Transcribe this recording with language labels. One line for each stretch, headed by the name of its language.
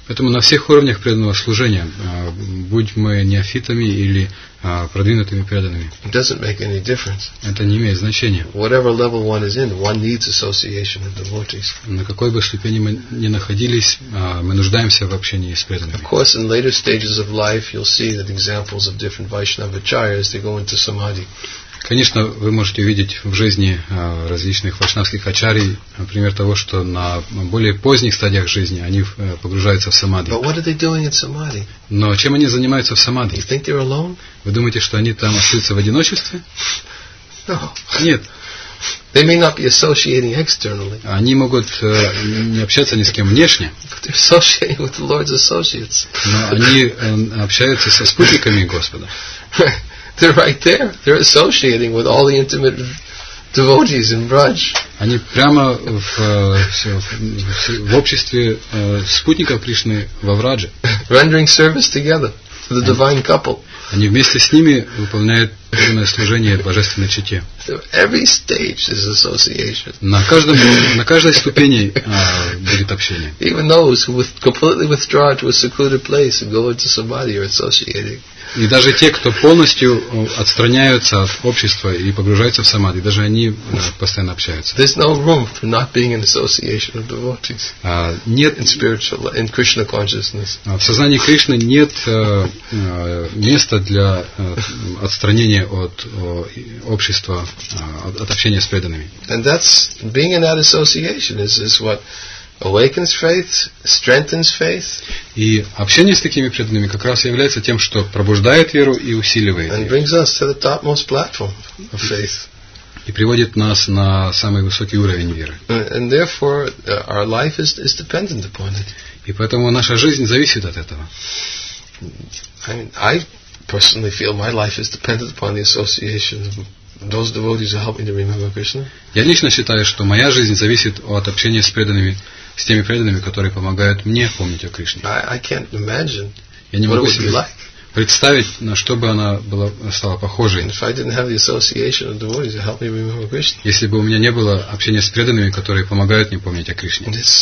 Russian: Поэтому на всех уровнях преданного служения, будь мы неофитами или продвинутыми преданными.
English: It doesn't make any difference.
Russian: Это не имеет значения.
English: Whatever level one is in, one needs association of devotees.
Russian: На какой бы ступени мы ни находились, мы нуждаемся в общении с преданными.
English: Of course, in later stages of life, you'll see that examples of different Vaishnava acharyas they go into samadhi.
Russian: Конечно, вы можете увидеть в жизни различных вайшнавских ачарий пример того, что на более поздних стадиях жизни они погружаются в самадхи.
English: But what are they doing in samadhi?
Russian: Но чем они занимаются в самадхи?
English: You think they're alone?
Russian: Вы думаете, что они там остаются в одиночестве?
English: No.
Russian: Нет.
English: They may not be associating externally.
Russian: Они могут не общаться ни с кем внешне.
English: But they're associating with the Lord's associates.
Russian: Но они общаются со спутниками Господа.
English: They're right there. They're associating with all the intimate devotees in Braj.
Russian: Они прямо в обществе спутников Кришны во Врадже.
English: Rendering service together to the divine couple.
Russian: Они вместе с ними выполняют полное служение божественной чете.
English: Every stage is association.
Russian: На каждой ступени будет общение.
English: Even those who completely withdraw to a secluded place and go into samadhi are associating.
Russian: И даже те, кто полностью отстраняются от общества и погружаются в самадхи, даже они постоянно общаются.
English: There's no room for not being in association of devotees.
Russian: Нет,
English: in spiritual, in Krishna consciousness.
Russian: В сознании Кришны нет места для отстранения от общества, от общения с преданными.
English: And that's being in that association is what awakens faith, strengthens faith.
Russian: И общение с такими преданными как раз является тем, что пробуждает веру и усиливает.
English: And brings us to the topmost platform of faith.
Russian: И приводит нас на самый высокий уровень веры.
English: And therefore our life is dependent upon it.
Russian: И поэтому наша жизнь зависит от этого.
English: I personally feel my life is dependent upon the association of those devotees who help me to remember Krishna.
Russian: Я лично считаю, что моя жизнь зависит от общения с преданными, с теми преданными, которые помогают мне помнить о Кришне.
English: I can't imagine.
Russian: Я не могу себе
English: like
Russian: представить, на что бы она была, стала похожей.
English: And if I didn't have the association of devotees who help me remember Krishna.
Russian: Если бы у меня не было общения с преданными, которые помогают мне помнить о Кришне.